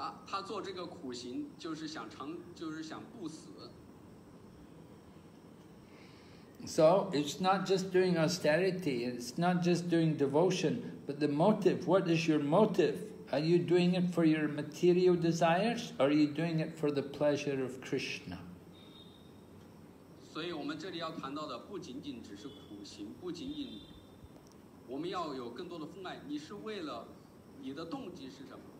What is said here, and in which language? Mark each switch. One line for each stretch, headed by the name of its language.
Chinese: 他做这个苦行就是想长，就是想不死。
English: So it's not just doing austerity, it's not just doing devotion, but the motive. What is your motive? Are you doing it for your material desires, or are you doing it for the pleasure of Krishna?
Chinese: 所以我们这里要谈到的不仅仅只是苦行，不仅仅我们要有更多的奉爱。你是为了你的动机是什么？